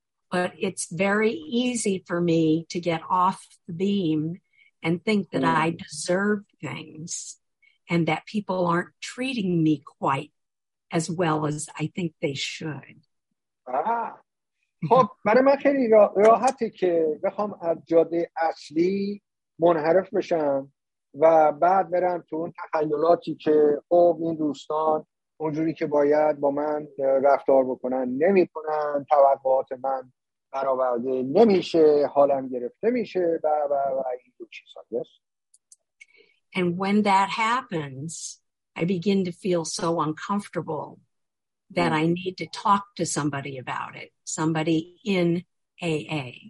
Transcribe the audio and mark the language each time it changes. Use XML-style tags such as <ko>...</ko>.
<en>But it's very easy for me to get off the beam and think that I deserve things and that people aren't treating me quite as well as I think they should.</en> <fa>خب برای من خیلی راحته که بخوام از جاده اصلی منحرف بشم و بعد برم تو اون تخیلاتی که خب این دوستان اونجوری که باید با من رفتار بکنن نمی کنن، توقعات من برآورده نمیشه، حالم گرفته میشه و و و این دو چیز هست.</fa> <en>And when that happens, I begin to feel so uncomfortable that I need to talk to somebody about it, somebody in AA.</en>